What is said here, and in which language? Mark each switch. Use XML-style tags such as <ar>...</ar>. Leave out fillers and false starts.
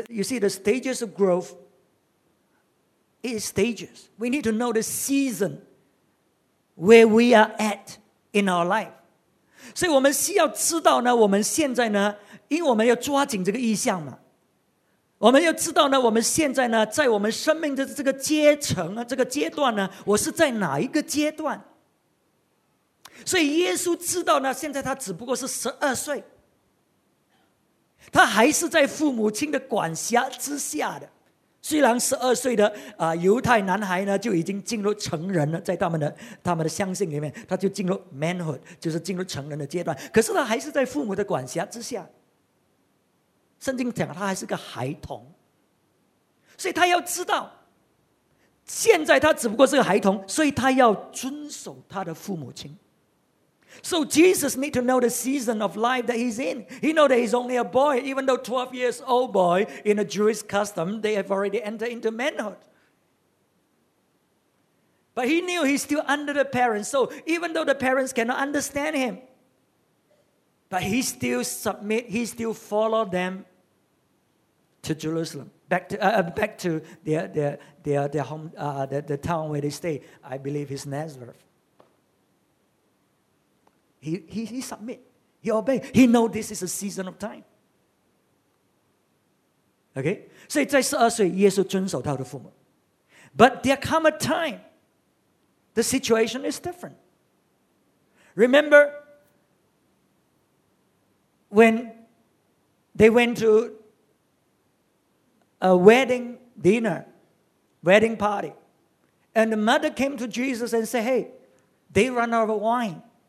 <en>You see, the stages of growth is stages. We need to know the season where we are at in our life.</en> <zh>所以我们需要知道呢，我们现在呢，因为我们要抓紧这个意象嘛。我们要知道呢，我们现在呢，在我们生命的这个阶层啊，这个阶段呢，我是在哪一个阶段？所以耶稣知道呢，现在他只不过是12岁，他还是在父母亲的管辖之下的。虽然12岁的犹太男孩呢，就已经进入成人了，在他们的相信里面，他就进入 manhood， 就是进入成人的阶段。可是他还是在父母的管辖之下。圣经讲他还是个孩童，所以他要知道现在他只不过是个孩童，所以他要遵守他的父母亲。</zh> <en>So Jesus need to know the season of life that he's in. He know that he's only a boy. Even though 12 years old boy, in a Jewish custom, they have already entered into manhood. But he knew he's still under the parents. So even though the parents cannot understand him,But he still submit, he still follow them to Jerusalem, back to their home, the town where they stay. I believe it's Nazareth. He submit, he obey, he know this is a season of time. Okay?</en> <zh>所以在12岁，耶稣遵守他的父母。</zh> <en>But there come a time, the situation is different. Remember,When they went to a wedding dinner, wedding party, and the mother came to Jesus and said, hey, they run out of wine.</en>